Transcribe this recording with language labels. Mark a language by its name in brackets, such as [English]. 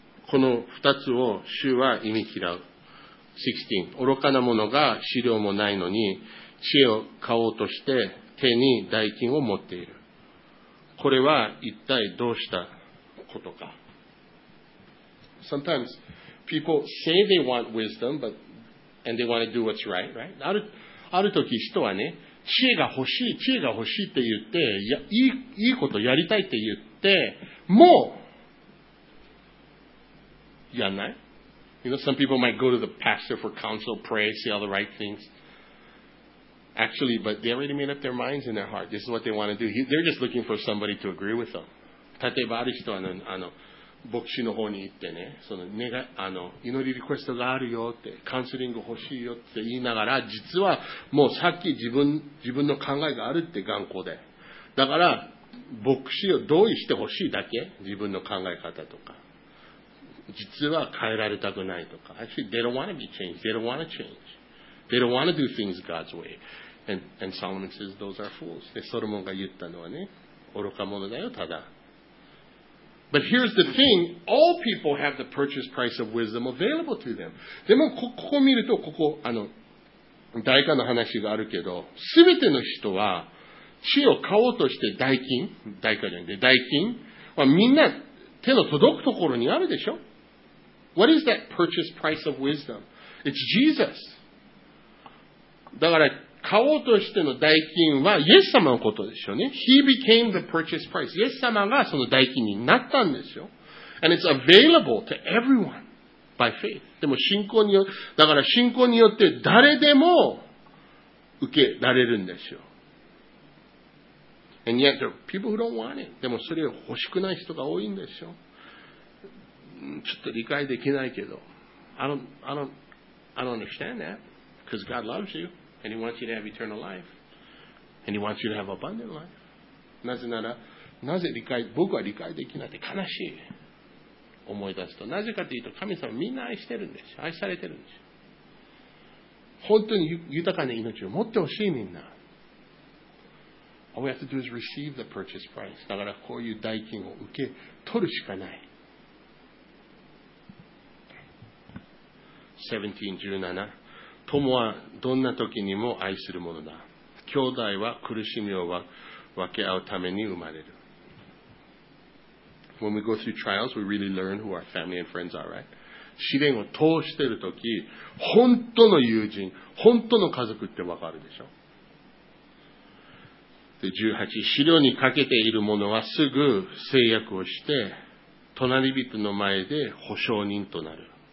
[Japanese] この二つを主は忌み嫌う。 [English] 16. [Japanese] 愚かな者が資料もないのに、知恵を買おうとして手に代金を持っている。これは一体どうしたことか。 [English] Sometimes people say they want wisdom, and they want to do what's right, right? [Japanese] ある時人はね、知恵が欲しいって言って、いいことやりたいって言って、もうやんない? [English] You know, some people might go to the pastor for counsel, pray, say all the right things. Actually, but they already made up their minds in their heart. This is what they want to do. They're just looking for somebody to agree with them. [Japanese] 例えばある人は、牧師の方に行ってね、その願い、あの祈りリクエストがあるよってカウンセリング欲しいよって言いながら、実はもうさっき自分の考えがあるって頑固で、だから牧師を同意してほしいだけ、自分の考え方とか、実は変えられたくないとか、 [English] Actually they don't want to be changed, they don't want to change, they don't want to do things God's way. And Solomon says those are fools. [Japanese] でソロモンが言ったのはね、愚か者だよ、ただ。 [English] But here's the thing, all people have the purchase price of wisdom available to them. [Japanese] でも ここ見ると、ここ、あの、代価の話があるけど、すべての人は、知を買おうとして代金、代価じゃなくて代金、まあ、みんな手の届くところにあるでしょ。 [English] What is that purchase price of wisdom? It's Jesus. [Japanese] だから、買おうとしての代金はイエス様のことですよね。 [English] He became the purchase price. [Japanese] イエス様がその代金になったんですよ。 [English] And it's available to everyone by faith. [Japanese] でも信仰によって、だから信仰によって誰でも受けられるんですよ。 [English] And yet there are people who don't want it. [Japanese] でもそれを欲しくない人が多いんですよ。ちょっと理解できないけど。 [English] I don't understand that. Because God loves you. And he wants you to have eternal life. And he wants you to have abundant life. [Japanese] なぜなら、なぜ理解、僕は理解できなくて悲しい。思い出すと。なぜかというと、神様みんな愛してるんです。愛されてるんです。本当に豊かな命を持ってほしい、みんな。 [English] All we have to do is receive the purchase price. [Japanese] だからこういう代金を受け取るしかない。 17:17友はどんな時にも愛するものだ。兄弟は苦しみを分け合うために生まれる。 [English] When we go through trials, we really learn who our family and friends are, right? [Japanese] 試練を通している時、本当の友人、本当の家族って分かるでしょ。で、18、試練にかけているものはすぐ制約をして、隣人の前で保証人となる。